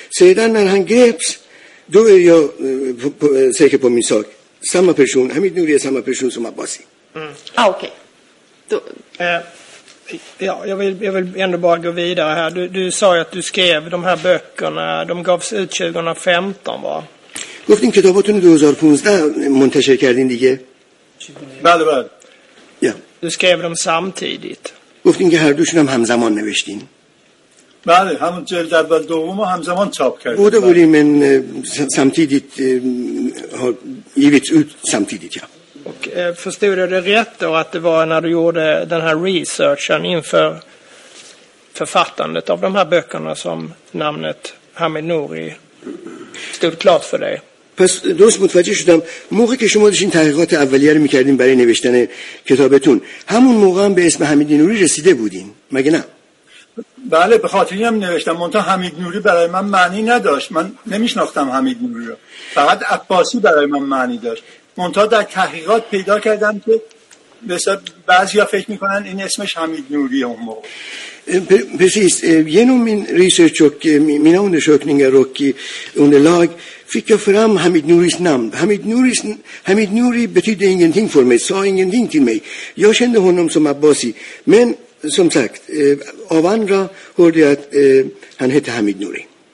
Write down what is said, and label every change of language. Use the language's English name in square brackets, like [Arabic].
[Swedish] Sedan när han greps, då är jag säker på min sak. Samma person, Hamid Noori är samma person som Abbasi. Mm. Ah, okej. Okay. ja, jag vill ändå bara gå vidare här. Du sa ju att du skrev de här böckerna. De gavs ut 2015, va? [Persian] گفتین کتاباتون 2015 منتشر کردین دیگه؟ بله بله. [English] Yeah. [Swedish] Du skrev dem samtidigt. [Persian] گفتین که هر دوشون هم همزمان نوشتین؟ بله، همون جلد اول دوم رو همزمان چاپ کردیم. [Swedish] بوده بولی من samtidigt givits ut samtidigt, ja. Och förstod jag det rätt då att det var när du gjorde den här researchen inför författandet av de här böckerna som namnet Hamid Noori stod klart för dig? [Persian] پس درست متوجه شدم موقعی که شما داشتین تحقیقات اولیه رو میکردین برای نوشتن کتابتون همون موقع هم به اسم حمید نوری رسیده بودین مگه نه؟ بله به خاطر این هم نوشتم منتها حمید نوری برای من معنی نداشت من نمیشناختم حمید نوری رو فقط عباسی برای من معنی داشت منتها در تحقیقات پیدا کردم که مثلا بعضی ها فکر میکنن این اسمش حمید نوری اون موقع [Swedish] Precis, genom min research och mina undersökningar och underlag fick jag fram Hamid Nouris namn. Hamid Nouri betydde ingenting för mig, sa ingenting till mig. Jag kände honom som Abbasi, men som sagt, av andra hörde jag att han hette Hamid Nouri.